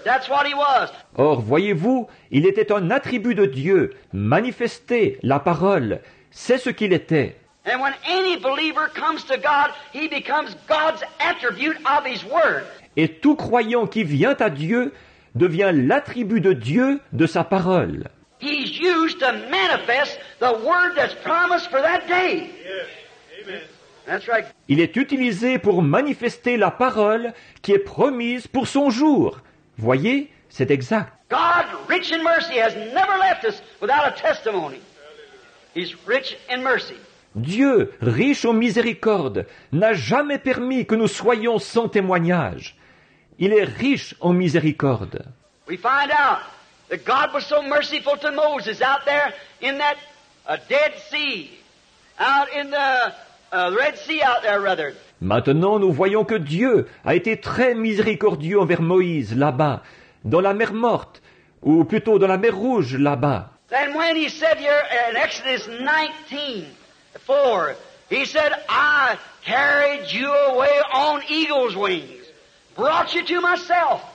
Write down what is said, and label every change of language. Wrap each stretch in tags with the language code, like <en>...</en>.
<en>That's what he was.</en> <fr>Or, voyez-vous, il était un attribut de Dieu, manifesté, la parole. C'est ce qu'il était.</fr> <en>And when any believer comes to God, he becomes God's attribute of his Word.</en> <fr>Et tout croyant qui vient à Dieu devient l'attribut de Dieu de sa parole.</fr> <en>He's used to manifest the word that's promised for that day. Yes. Amen. That's right.</en> <fr>Il est utilisé pour manifester la parole qui est promise pour son jour. Voyez, c'est exact.</fr> <en>God, rich in mercy, has never left us without a testimony. He's rich in mercy.</en> <fr>Dieu, riche en miséricorde, n'a jamais permis que nous soyons sans témoignage. Il est riche en miséricorde.</fr> <en>We find out that God was so merciful to Moses out there in that Dead Sea, out in the Red Sea out there, rather.</en> <fr>Maintenant, nous voyons que Dieu a été très miséricordieux envers Moïse là-bas, dans la mer morte, ou plutôt dans la mer rouge là-bas.</fr> <en>Then when he said here in Exodus 19:4, he said, I carried you away on eagle's wings, brought you to myself.</en>